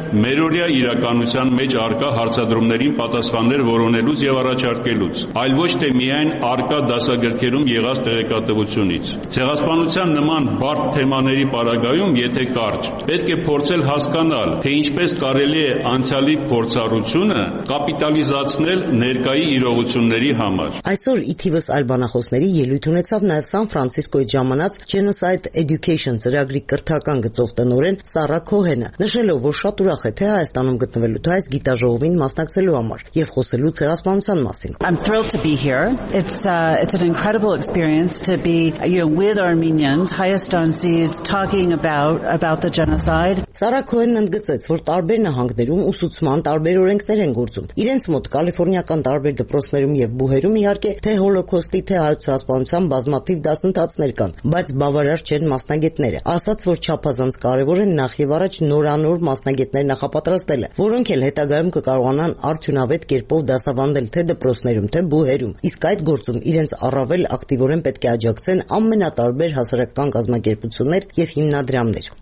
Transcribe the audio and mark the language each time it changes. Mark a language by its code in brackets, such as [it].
[hy] մերօրյա իրականության մեջ առկա հարցադրումներին պատասխաններ որոնելուց եւ առաջարկելուց, այլ ոչ թե միայն առկա դասագրքերում եղած տեղեկատվությունից։ Ցեղասպանության նման բարդ թեմաների պարագայում, եթե կարճ, պետք է փորձել հասկանալ, թե ինչպես կարելի է անցյալի փորձառությունը կապիտալիզացնել ներկայի իրողությունների համար։ Այսօր իթիվս ալբանախոսների ելույթ ունեցավ նաեւ Սան Ֆրանցիսկոյի ժամանած Genocide Education ծրագրի կրթական գծով տնօրեն Սարա Քոհենը, նշելով, որ շատ ուրախ է թե Հայաստանում գտնվելու, թե այս գիտաժողովին մասնակցելու համար եւ խոսելու ցեղասպանության մասին։ [en] I'm thrilled to be here. It's an incredible experience to be, you know, with Armenians, Hayastanis talking about the genocide. [hy] Սարա Քոհենն ընդգծեց, որ տարբեր նահանգներում ուսուցման տարբեր օրենքներ են գործում։ Իրենց մոտ Կալիֆոռնիական տարբեր դպրոցներում եւ բուհերում իհարկե թե Հոլոկոստի, թե հայոց ցեղասպանության բազմաթիվ դասընթացներ կան, բայց բավարար չեն մասնագետները։ Ասած, որ չափազանց կարևոր են նախ եւ առաջ նորանոր մասնագետներ նախապատրաստելը, որոնք էլ հետագայում կկարողանան արդյունավետ կերպով դասավանդել թե դպրոցներում, թե բուհերում։ Իսկ այդ գործում իրենց առավել ակտիվորեն պետք է աջակցեն ամենատարբեր հասարակական կազմակերպություններ եւ հիմնադրամներ։